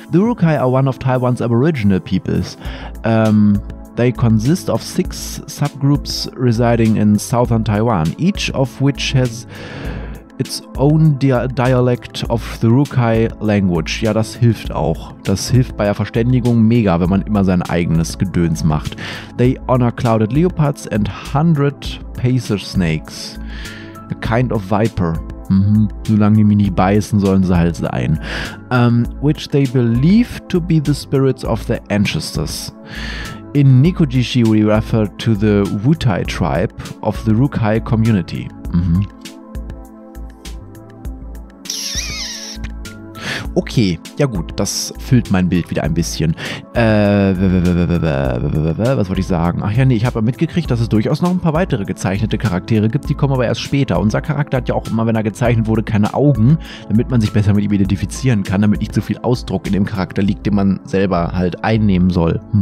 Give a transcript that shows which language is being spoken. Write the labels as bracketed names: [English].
[English] The Rukai are one of Taiwan's aboriginal peoples. They consist of 6 subgroups residing in southern Taiwan, each of which has its own dialect of the Rukai language. [German] Ja, das hilft auch. Das hilft bei der Verständigung mega, wenn man immer sein eigenes Gedöns macht. [English] They honor clouded leopards and 100 pacer snakes. A kind of viper. [German] Solange die mich nicht beißen, sollen sie halt sein. [English] Which they believe to be the spirits of their ancestors. In Nikujishi we refer to the Wutai tribe of the Rukai community. [German] Okay, ja gut, das füllt mein Bild wieder ein bisschen. Was wollte ich sagen? Ach ja, nee, ich habe mitgekriegt, dass es durchaus noch ein paar weitere gezeichnete Charaktere gibt, die kommen aber erst später. Unser Charakter hat ja auch immer, wenn er gezeichnet wurde, keine Augen, damit man sich besser mit ihm identifizieren kann, damit nicht zu viel Ausdruck in dem Charakter liegt, den man selber halt einnehmen soll.